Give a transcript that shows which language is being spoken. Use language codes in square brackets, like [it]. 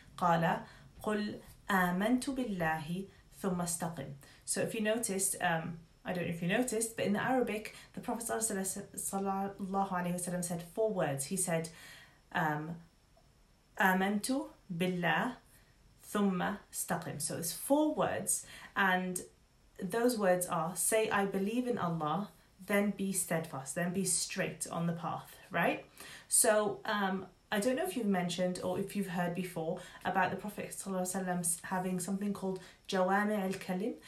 [ar] قال قل آمنت بالله ثم استقم. [en] So if you noticed, I don't know if you noticed, but in the Arabic, the Prophet sallallahu alaihi wasallam said 4 words. He said, [ar] آمنت بالله ثم استقم. [en] So it's 4 words, and those words are, say I believe in Allah, then be steadfast, then be straight on the path, right? So I don't know if you've mentioned or if you've heard before about the Prophet ﷺ having something called Jawami' al-Kalim.